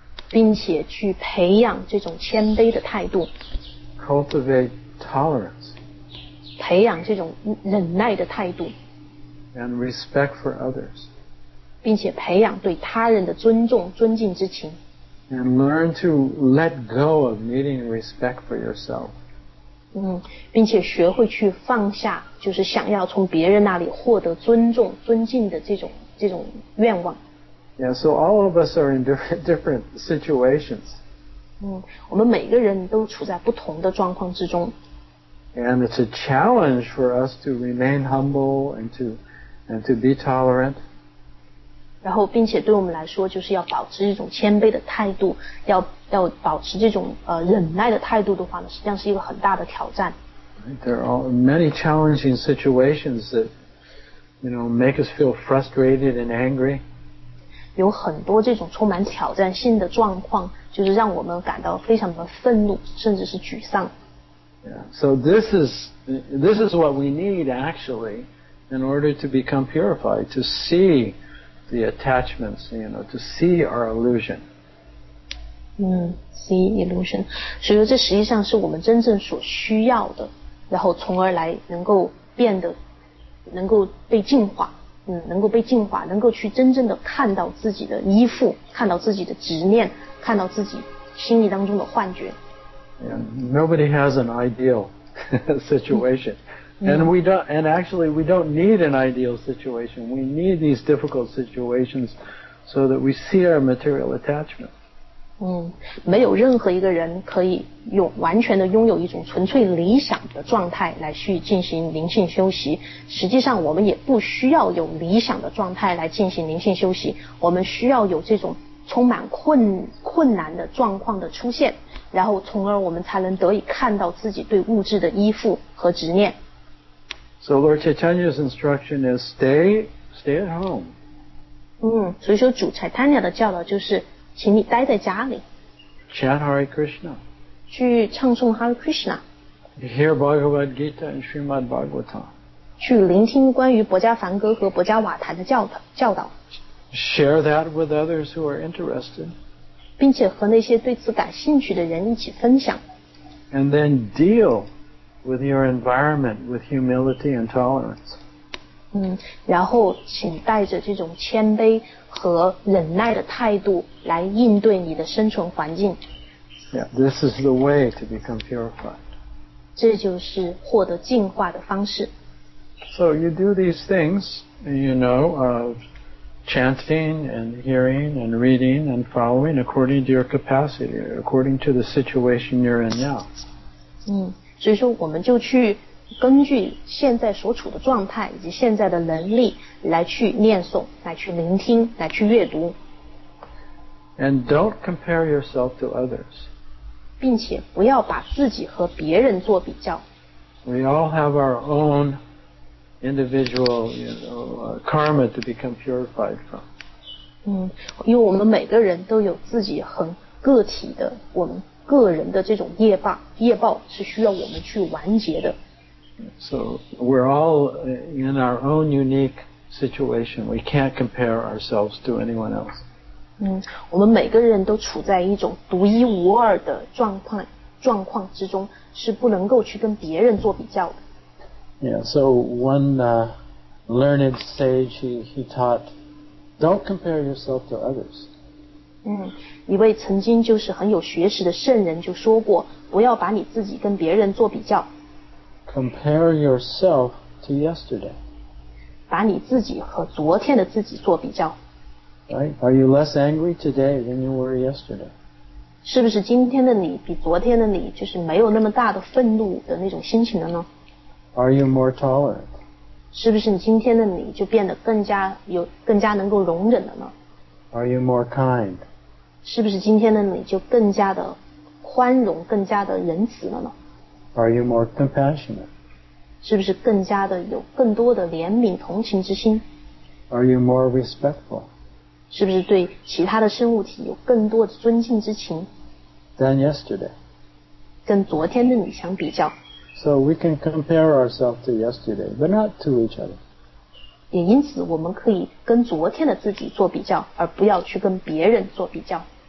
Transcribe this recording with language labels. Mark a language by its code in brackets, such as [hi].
[zh] 并且去培养这种谦卑的态度。 [en] Cultivate tolerance. [zh] 培养这种忍耐的态度。 [en] And respect for others. [zh] 并且培养对他人的尊重、尊敬之情。 [en] And learn to let go of needing respect for yourself. [zh] 嗯，并且学会去放下，就是想要从别人那里获得尊重、尊敬的这种愿望。 [en] Yeah, so all of us are in different situations. [zh] 嗯，我们每个人都处在不同的状况之中。 [en] And it's a challenge for us to remain humble and to be tolerant. [zh] 然后并且对我们来说就是要保持这种谦卑的态度 要保持这种忍耐的态度的话呢，实际上是一个很大的挑战。 [en] There are many challenging situations that, you know, make us feel frustrated and angry. [zh] 有很多这种充满挑战性的状况，就是让我们感到非常的愤怒，甚至是沮丧。 [en] Yeah, so this is what we need actually in order to become purified, to seeThe attachments, you know, to see our illusion. See illusion. [zh] 所以这实际上是我们真正所需要的，然后从而来能够变得，能够被净化，能够被净化，能够去真正的看到自己的依附，看到自己的执念，看到自己心里当中的幻觉。 [en] Nobody has an ideal situation. And we don't need an ideal situation. We need these difficult situations so that we see our material attachment. [zh] 没有任何一个人可以用完全的拥有一种纯粹理想的状态来去进行灵性修习。实际上我们也不需要有理想的状态来进行灵性修习。我们需要有这种充满困难的状况的出现，然后从而我们才能得以看到自己对物质的依附和执念。 [en] So Lord Chaitanya's instruction is stay at home. [zh] 所以说主柴坦尼亚的教导就是请你待在家里。 [en] Chant Hare Krishna. [zh] 去唱诵 Hare Krishna. [en] Hear Bhagavad Gita and Srimad Bhagavatam. [zh] 去聆听关于博迦梵歌和博迦瓦坛的教导。 [en] Share that with others who are interested. [zh] 并且和那些对此感兴趣的人一起分享。 [en] And then deal with your environment, with humility and tolerance. [zh] 然后请带着这种谦卑和忍耐的态度来应对你的生存环境。 [en] Yeah, this is the way to become purified. [zh] 这就是获得净化的方式。 [en] So you do these things, you know, of chanting and hearing and reading and following according to your capacity, according to the situation you're in now. [zh] 所以说我们就去根据现在所处的状态以及现在的能力来去念诵，来去聆听，来去阅读。 [en] And don't compare yourself to others. [zh] 并且不要把自己和别人做比较。 [en] We all have our own individual, you know, karma to become purified from. [zh] 因为我们每个人都有自己很个体的我们。个人的这种业报是需要我们去完结的。 [en] So we're all in our own unique situation. We can't compare ourselves to anyone else. [zh] 我们每个人都处在一种独一无二的状况之中，是不能够去跟别人做比较的。 [en] Yeah, so one learned sage he taught, don't compare yourself to others. [zh] 一位曾经就是很有学识的圣人就说过，不要把你自己跟别人做比较。 [en] Compare yourself to yesterday. [zh] 把你自己和昨天的自己做比较。 [en] Right? Are you less angry today than you were yesterday? [zh] 是不是今天的你比昨天的你就是没有那么大的愤怒的那种心情了呢？ [en] Are you more tolerant? [zh] 是不是你今天的你就变得更加能够容忍了呢？ [en] Are you more kind? [zh] 是不是今天的你就更加的宽容，更加的仁慈了呢？ [en] Are you more compassionate? [zh] 是不是更加的有更多的怜悯同情之心？ [en] Are you more respectful? [zh] 是不是对其他的生物体有更多的尊敬之情？ [en] Than yesterday. [zh] 跟昨天的你相比较。 [en] So we can compare ourselves to yesterday, but not to each other. [zh] 也因此我们可以跟昨天的自己做比较，而不要去跟别人做比较。